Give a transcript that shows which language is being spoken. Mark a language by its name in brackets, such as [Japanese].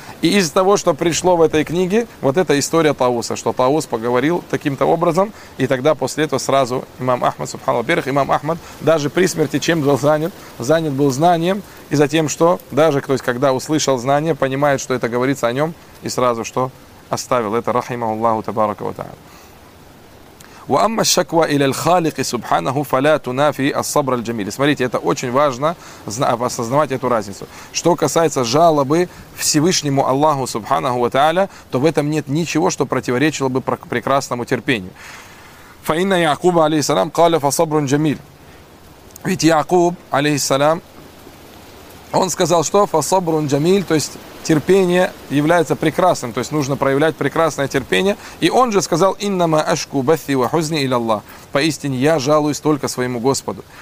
[Russian] И из-за того, что пришло в этой книге, вот эта история Таууса, что Таус поговорил таким-то образом, и тогда после этого сразу имам Ахмад, субханаллах, во-первых, имам Ахмад даже при смерти чем был занят? Занят был знанием, и затем что? Даже, то есть, когда услышал знание, понимает, что это говорится о нем, и сразу что? Оставил это, рахимаху Аллаху табарака ва тааля. [Arabic] وأما الشكوى إلى الخالق سبحانه فلا تنافي الصبر الجميل. [Russian] Смотрите, это очень важно осознавать эту разницу. Что касается жалобы Всевышнему Аллаху Субханаху ва Тааля, то в этом нет ничего, что противоречило бы прекрасному терпению. [Arabic] فإن يعقوب عليه السلام قال فصبر جميل. [Russian] Ведь Яакуб алейхиссалам, он сказал, что [Arabic] فصبر جميل, [Russian] то есть терпение является прекрасным, то есть нужно проявлять прекрасное терпение. И он же сказал: [Arabic] «Иннама ашку бафи ва хузни иля Аллах». [Russian] Поистине я жалуюсь только своему Господу.